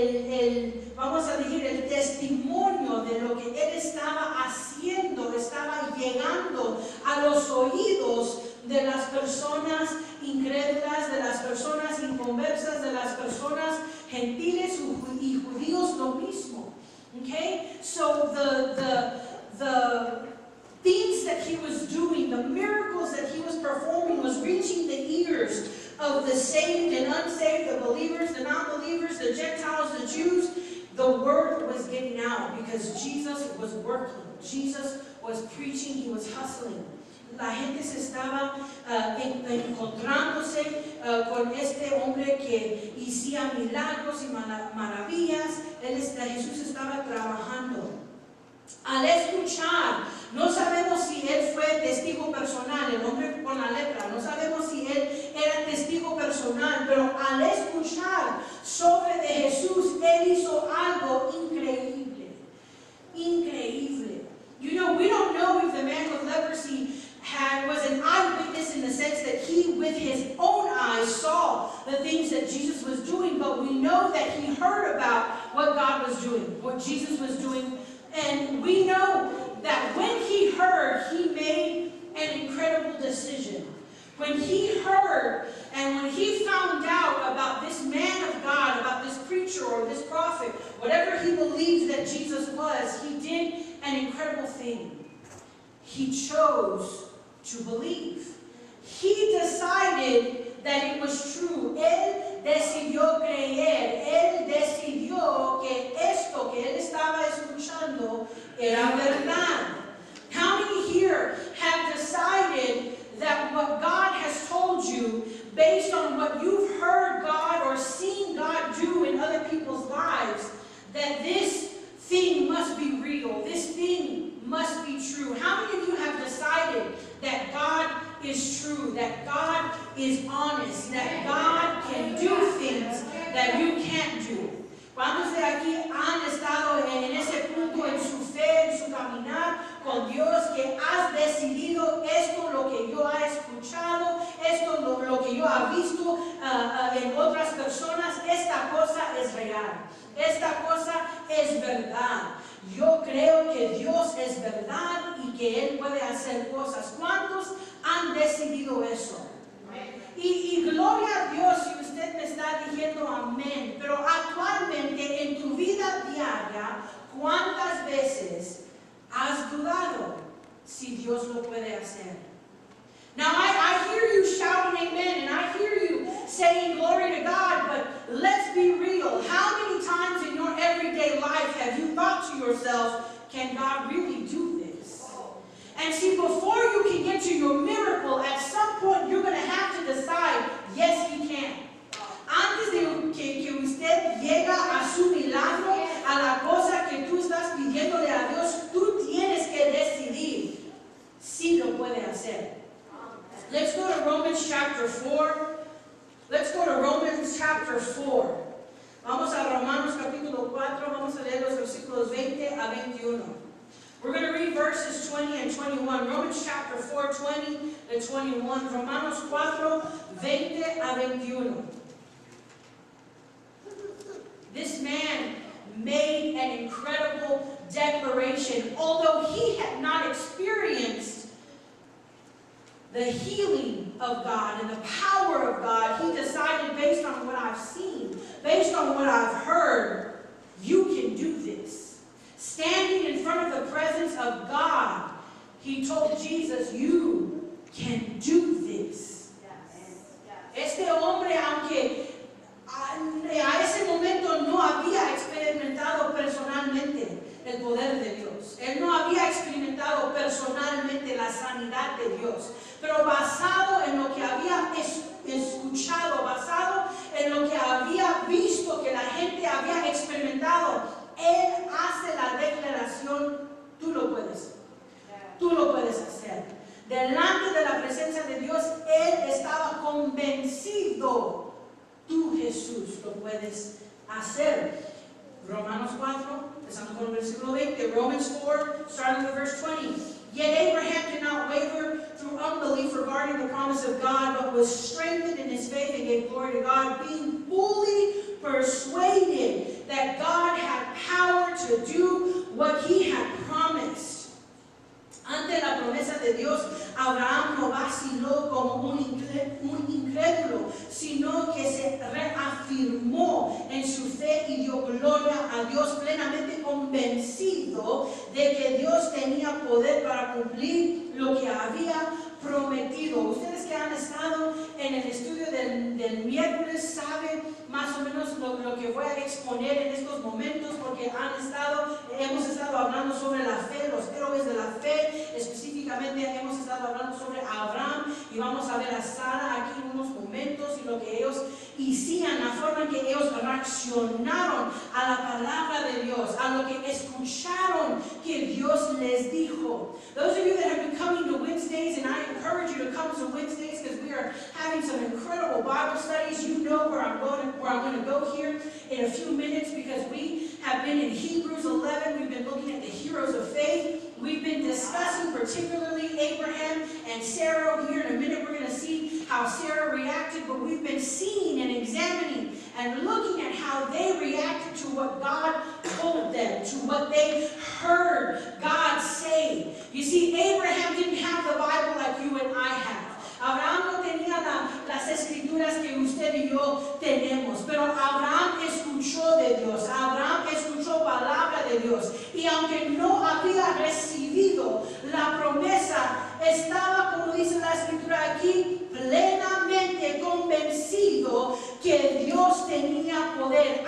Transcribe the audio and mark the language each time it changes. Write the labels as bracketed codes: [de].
[es] El testimonio de lo que él estaba haciendo estaba llegando a los oídos de las personas incrédulas, de las personas inconversas, de las personas gentiles y judíos lo mismo. [en] Okay? So the things that he was doing, the miracles that he was performing, was reaching the ears of the saved and unsaved, the believers, the non-believers, the Gentiles, the Jews. The word was getting out because Jesus was working. Jesus was preaching. He was hustling. [es] La gente se estaba encontrándose con este hombre que hacía milagros y maravillas. Jesús estaba trabajando. Al escuchar, no sabemos si él fue testigo personal, el hombre con la lepra, no sabemos si él era testigo personal, pero al escuchar sobre de Jesús, él hizo algo increíble, increíble. [en] You know, we don't know if the man with leprosy was an eyewitness in the sense that he with his own eyes saw the things that Jesus was doing, but we know that he heard about what God was doing, what Jesus was doing. And we know that when he heard, he made an incredible decision. When he heard and when he found out about this man of God, about this preacher or this prophet, whatever he believes that Jesus was, he did an incredible thing. He chose to believe. He decided that it was true. [es] Él decidió creer. Él decidió que esto que él estaba escuchando era verdad. [en] How many here have decided that what God has told you, based on what you've heard God or seen God do in other people's lives, that this thing must be real, this thing must be true? How many of you have decided that God is true, that God is honest, that God can do things that you can't do? [es] ¿Cuántos de aquí han estado en ese punto en su fe, en su caminar con Dios, que has decidido esto lo que yo he escuchado, esto lo que yo he visto en otras personas, esta cosa es real, esta cosa es verdad? Yo creo que Dios es verdad y que Él puede hacer cosas. ¿Cuántos han decidido eso? Y gloria a Dios si usted me está diciendo amén. Pero actualmente en tu vida diaria, ¿cuántas veces has dudado si Dios lo puede hacer? [en] Now I hear you shouting amen and I hear you saying glory to God, but let's be real. How many times in your everyday life have you thought to yourself, can God really do this? And see, before you can get to your miracle, at some point you're going to have to decide, yes, he can. [es] Antes de que usted llega a su milagro, a la cosa que tú estás pidiéndole a Dios, tú tienes que decidir si lo puede hacer. [en] Let's go to Romans chapter 4. Let's go to Romans chapter 4. [es] Vamos a Romanos capítulo 4. Vamos a leer los versículos 20 a 21. [en] We're going to read verses 20 and 21. Romans chapter 4, 20 and 21. [es] Romanos 4, 20 a 21. [en] This man made an incredible declaration. Although he had not experienced the healing of God and the power of God, he decided, based on what I've seen, based on what I've heard, you can do this. Standing in front of the presence of God, he told Jesus, you can do this. Yes. [es] Este hombre, aunque a ese momento no había experimentado personalmente el poder de Dios. Él no había experimentado personalmente la sanidad de Dios. Pero basado en lo que había escuchado, basado en lo que había visto que la gente había experimentado, él hace la declaración, tú lo puedes. Tú lo puedes hacer. Delante de la presencia de Dios, él estaba convencido. Tú, Jesús, lo puedes hacer. Romanos 4, empezando con el versículo 20. [en] Romans 4, starting with verse 20. Yet Abraham did not waver through unbelief regarding the promise of God, but was strengthened in his faith and gave glory to God, being fully persuaded that God had power to do what he had promised. [es] Ante la promesa de Dios, Abraham no vaciló como un incrédulo, sino que se reafirmó en su fe y dio gloria a Dios, plenamente convencido de que Dios tenía poder para cumplir lo que había prometido. Ustedes que han estado en el estudio del miércoles saben más o menos lo que voy a exponer en estos momentos, porque hemos estado hablando sobre la fe, los héroes de la fe. Específicamente hemos estado hablando sobre Abraham, y vamos a ver a Sara aquí en unos momentos, y lo que ellos hicieron, la forma en que ellos reaccionaron a la palabra de Dios, a lo que escucharon que Dios les dijo. [en] Those of you that have been coming to Wednesdays, and I encourage you to come to Wednesdays because we are having some incredible Bible studies. You know where I'm going to go here in a few minutes, because we have been in Hebrews 11. We've been looking at the heroes of faith. We've been discussing particularly Abraham and Sarah. Here in a minute we're going to see how Sarah reacted, but we've been seeing and examining and looking at how they reacted to what God told them, to what they heard God say. You see, Abraham didn't have the Bible like you and I have. [es] Abraham no tenía las escrituras que usted y yo tenemos, pero Abraham escuchó de Dios, Abraham escuchó palabra de Dios, y aunque no había recibido la promesa, estaba, como dice la escritura aquí, plenamente convencido que Dios tenía poder.